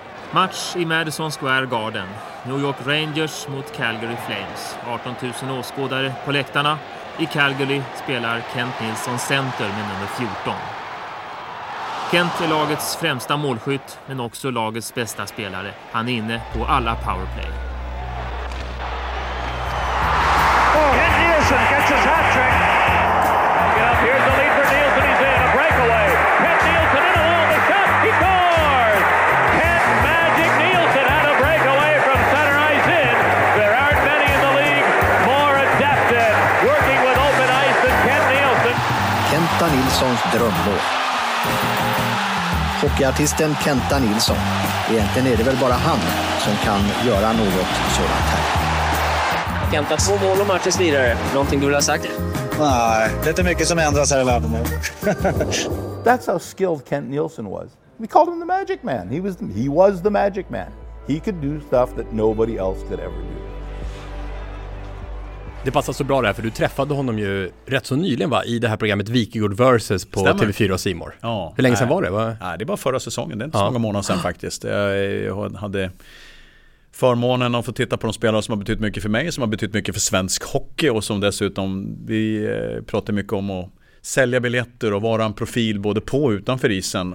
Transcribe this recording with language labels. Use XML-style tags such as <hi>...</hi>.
<sv>Match i Madison Square Garden. New York Rangers mot Calgary Flames. 18 000 åskådare på läktarna. I Calgary spelar Kent Nilsson center med nummer 14. Kent är lagets främsta målskytt, men också lagets bästa spelare. Han är inne på alla powerplay.</sv> <en>Kent Nilsson gets his hat-trick. Here's the lead for Nilsson. He's in a breakaway. Kent Nilsson in along the shot. He scores! Kent Magic Nilsson had a breakaway from center ice in. There aren't many in the league more adept at working with open ice than Kent Nilsson.</en> <sv>Kenta Nilssons drömmål. Hockeyartisten Kenta Nilsson. Egentligen är det väl bara han som kan göra något sådant här. Kenta, 2 mål och matchens vidare. Någonting du vill ha sagt? Nej, det är mycket som ändras här i världen.</sv> <en>That's how skilled Kent Nilsson was. We called him the magic man. He was the magic man. He could do stuff that nobody else could ever do.</en> <sv>Det passar så bra där, för du träffade honom ju rätt så nyligen, va, i det här programmet Wikegård versus på TV4 och Simor. Ja. Hur länge sedan var det? Nej, det var förra säsongen. Det är inte så många månader sedan faktiskt. Jag hade förmånen att få titta på de spelare som har betytt mycket för mig, som har betytt mycket för svensk hockey, och som dessutom vi pratade mycket om att sälja biljetter och vara en profil både på och utanför isen.</sv>